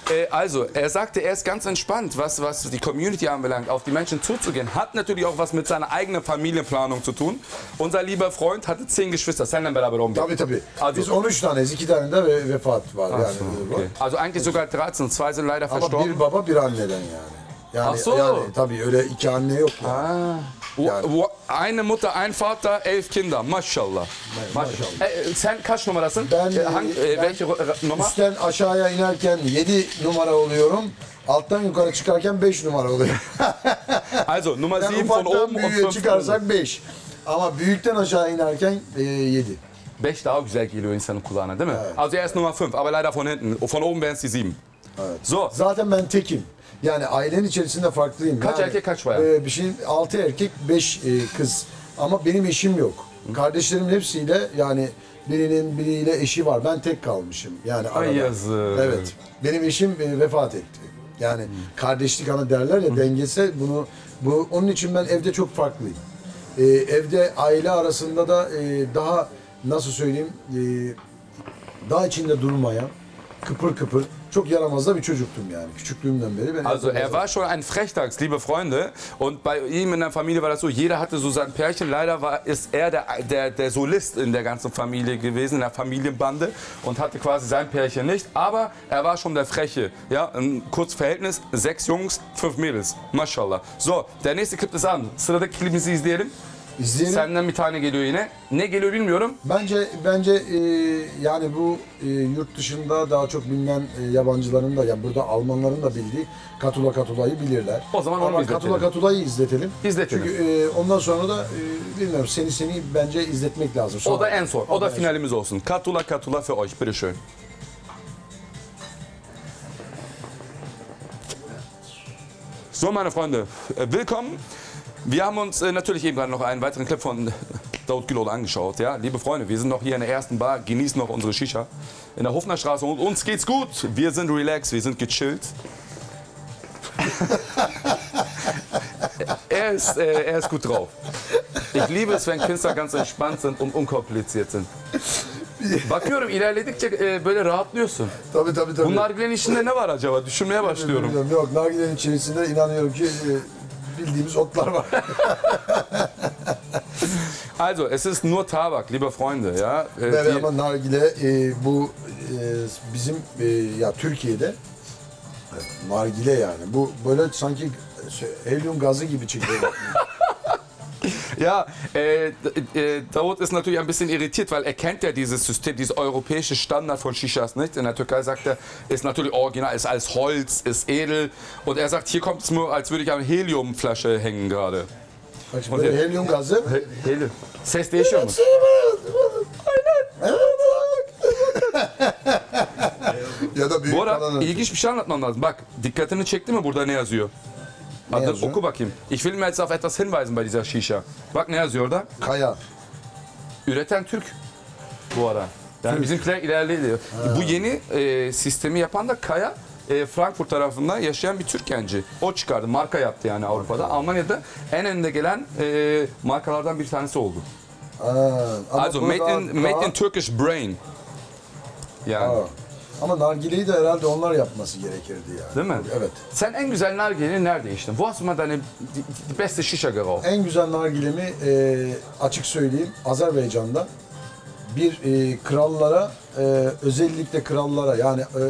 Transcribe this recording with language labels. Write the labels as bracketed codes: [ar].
[de] Also, er sagte, er ist ganz entspannt, was die Community anbelangt, auf die Menschen zuzugehen. Hat natürlich auch was mit seiner eigenen Familienplanung zu tun. Unser lieber Freund hatte 10 Geschwister. [tr] Senden beraber umgehen. Tabii tabii. Also, biz 13 tane, 2 tane de vefat var. Ach, yani, okay. [de] Also eigentlich sogar 13, 2 sind leider verstorben. [tr] Aber bir baba bir anneden yani. [de] Ach so. [tr] Yani, tabii öyle 2 anne yok ya. [de] Eine Mutter, ein Vater, 11 Kinder. [tr] Maşallah. Maşallah. Sen kaç numarasın? Ben üstten aşağıya inerken 7 numara oluyorum. Alttan yukarı çıkarken 5 numara oluyorum. [de] Also, Nummer 7 von oben [tr] und 5. Çıkarsak 5. Ama büyükten aşağı inerken 7. 5 daha güzel geliyor insanın kulağına, değil mi? Evet. [de] Also, er ist Nummer 5, aber leider von hinten. Von oben wären es die 7. [tr] Evet. So. Zaten ben tekim. Yani ailenin içerisinde farklıyım. Kaç yani, erkek kaç bayan? Bir şey 6 erkek 5 kız. Ama benim eşim yok. Hı. Kardeşlerimin hepsiyle yani birinin biriyle eşi var. Ben tek kalmışım. Yani ay yazık. Evet. Benim eşim vefat etti. Yani hı, kardeşlik ana derler ya, hı, dengesi bunu. Bu onun için ben evde çok farklıyım. Evde aile arasında da daha nasıl söyleyeyim daha içinde durmayan kıpır kıpır. Çok yaramazda bir çocuktum yani küçüklüğümden beri. Ben [de] also er war schon ein Frechdachs, liebe Freunde. Und bei ihm in der Familie war das so, jeder hatte so sein Pärchen. Leider war ist er der Solist in der ganzen Familie gewesen, in der Familienbande. Und hatte quasi sein Pärchen nicht. Aber er war schon der Freche. Ja, ein kurzes Verhältnis, 6 Jungs, 5 Mädels. Maşallah. So, der nächste Clip ist an. [tr] Sıradaki klibimizi izleyelim. İzleyelim. Senden bir tane geliyor yine. Ne geliyor bilmiyorum. Bence yani bu yurt dışında daha çok bilinen yabancıların da, yani burada Almanların da bildiği Katula Katula'yı bilirler. O zaman onu izletelim. Katula Katula'yı izletelim. İzletelim. Çünkü ondan sonra da bilmiyorum seni bence izletmek lazım. Sonra. O da en son. O da finalimiz son olsun. [de] Katula Katula für euch. Bitte schön. So meine Freunde, willkommen. Wir haben uns natürlich eben gerade noch einen weiteren Clip von Davut Gülol angeschaut, ja. Liebe Freunde, wir sind noch hier in der ersten Bar, genießen noch unsere Shisha in der Hofnerstraße und uns geht's gut. Wir sind relaxed, wir sind gechillt. er ist gut drauf. Ich liebe es, wenn Künstler ganz entspannt sind und unkompliziert sind. [tr] Bakıyorum ilerledikçe böyle rahatlıyorsun. Tabii tabii tabii. Bu nargilenin içinde ne var acaba? Düşünmeye başlıyorum. Yok, nargilenin içerisinde inanıyorum ki bildiğimiz otlar var. [de] Also, es ist nur Tabak, liebe Freunde, ja. [tr] Evet, ama nargile bu bizim ya Türkiye'de nargile yani. Bu böyle sanki helyum gazı gibi çıkıyor. [de] Ja, Davut ist natürlich ein bisschen irritiert, weil er kennt ja dieses System, dieses europäische Standard von Shishas nicht. In der Türkei sagt er, ist natürlich original, ist alles Holz, ist edel. Und er sagt, hier kommt es nur, als würde ich an Heliumflasche hängen gerade. Und der Heliumgase? Helium. Sehst du schon? Ja, da bin ich. [tr] Burada ilginç bir şey anlatmam lazım. Bak, dikkatini çekti mi burada ne yazıyor? Adı, oku bakayım. [de] Ich will mir jetzt auf etwas hinweisen bei dieser Shisha. [tr] Bak ne yazıyor orada? Kaya. Üreten Türk. Bu ara. Yani Türk. Bizimkiler ilerliyor. Bu yeni sistemi yapan da Kaya. Frankfurt tarafında yaşayan bir Türk genci. O çıkardı. Marka yaptı yani Avrupa'da. Marka. Almanya'da en önde gelen markalardan bir tanesi oldu. [en] Also made in Turkish brain. [tr] Yani. Ama nargileyi de herhalde onlar yapması gerekirdi yani. Değil mi? Evet. Sen en güzel nargileni nerede içtin? [de] Wo hast du mal deine beste Shisha geraucht? [tr] En güzel nargilemi açık söyleyeyim Azerbaycan'da bir krallara özellikle krallara yani